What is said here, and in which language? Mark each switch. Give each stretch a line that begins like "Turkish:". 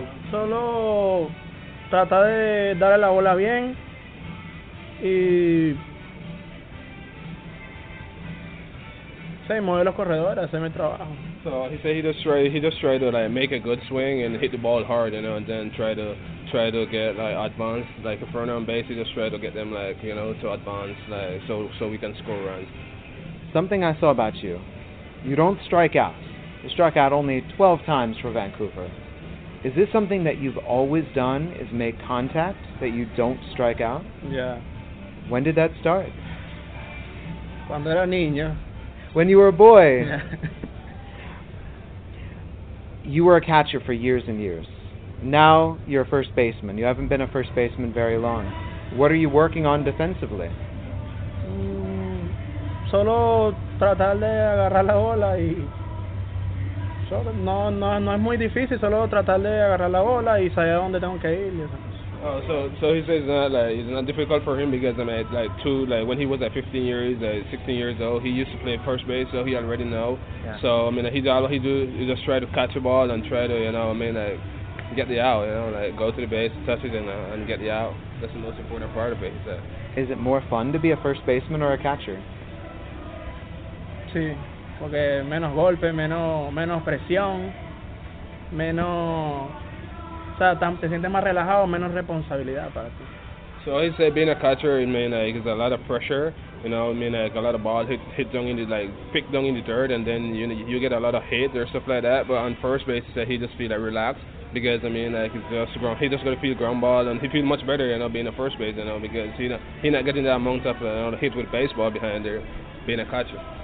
Spanish: Solo trata de darle la bola bien y se mueve los corredores, hace mi trabajo.
English: So he said he just tried to like make a good swing and hit the ball hard, you know, and then try to get like advance, like a front on base. He just try to get them, like, you know, to advance, like, so we can score runs. Something I saw about you. You don't strike out. You struck out only 12 times for Vancouver. Is this something that you've always done, is make contact, that you don't strike out? Yeah. When did that start?
Spanish: Cuando era niño.
English: When you were a boy. Yeah. You were a catcher for years and years. Now you're a first baseman. You haven't been a first baseman very long. What are you working on defensively?
Spanish: Solo tratar de agarrar la bola y no es muy difícil, solo tratar de agarrar la bola y saber dónde tengo que ir.
English: So he says it's not difficult for him because I mean, like two, like when he was at 15 years, 16 years old, he used to play first base, so he already know. Yeah. So I mean, he just try to catch a ball and try to, you know, I mean, like get the out, you know, like go to the base, touch it and get the out. That's the most important part of it. So. Is it more fun to be a first baseman or a catcher?
Spanish: Sí, porque menos golpe, menos presión, menos, o sea, te sientes más relajado, menos responsabilidad para ti.
English: So I say being a catcher, I mean, like, it's a lot of pressure, you know, I mean, like a lot of balls hit down in the, like, pick down in the dirt, and then you get a lot of hit or stuff like that. But on first base, he just feel like relaxed, because I mean, like, he just gonna feel ground ball, and he feel much better, you know, being a first base, you know, because he's not getting that amount of, you know, hit with baseball behind there, being a catcher.